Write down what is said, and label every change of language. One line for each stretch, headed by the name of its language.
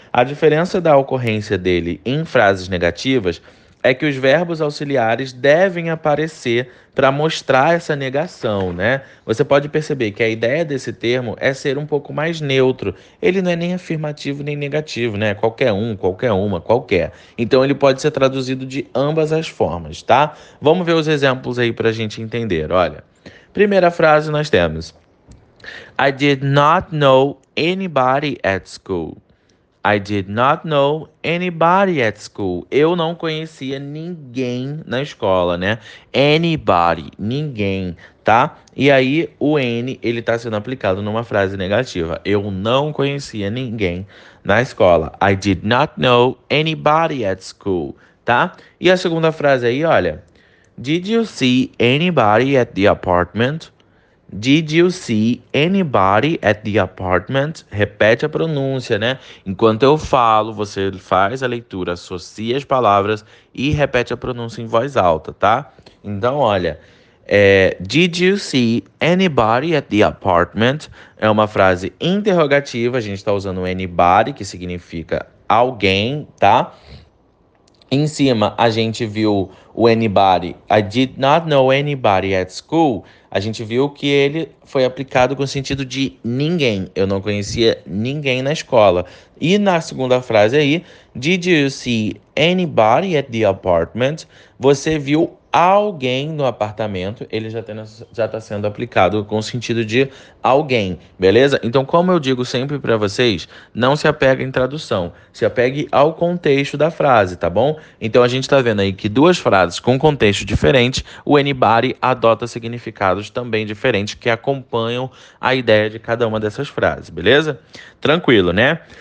Portuguese: A diferença da ocorrência dele em frases negativas é que os verbos auxiliares devem aparecer para mostrar essa negação, né? Você pode perceber que a ideia desse termo é ser um pouco mais neutro. Ele não é nem afirmativo nem negativo, né? Qualquer um, qualquer uma, qualquer. Então ele pode ser traduzido de ambas as formas, tá? Vamos ver os exemplos aí para a gente entender. Olha, primeira frase nós temos:
English: I did not know anybody at school. I did not know anybody at school.
Portuguese: Eu não conhecia ninguém na escola, né? Anybody, ninguém, tá? E aí o N, ele tá sendo aplicado numa frase negativa. Eu não conhecia ninguém na escola.
English: I did not know anybody at school, tá?
Portuguese: E a segunda frase aí, olha.
English: Did you see anybody at the apartment? Did you see anybody at the apartment?
Portuguese: Repete a pronúncia, né? Enquanto eu falo, você faz a leitura, associa as palavras e repete a pronúncia em voz alta, tá?
English: Então, olha, Did you see anybody at the apartment?
Portuguese: É uma frase interrogativa, a gente está usando anybody, que significa alguém, tá? Em cima, a gente viu o anybody.
English: I did not know anybody at school.
Portuguese: A gente viu que ele foi aplicado com o sentido de ninguém. Eu não conhecia ninguém na escola. E na segunda frase aí,
English: did you see anybody at the apartment?
Portuguese: Você viu alguém no apartamento? Ele já está sendo aplicado com o sentido de alguém, beleza? Então, como eu digo sempre para vocês, não se apegue em tradução, se apegue ao contexto da frase, tá bom? Então, a gente está vendo aí que duas frases com contexto diferente, o anybody adota significados também diferentes que acompanham a ideia de cada uma dessas frases, beleza? Tranquilo, né?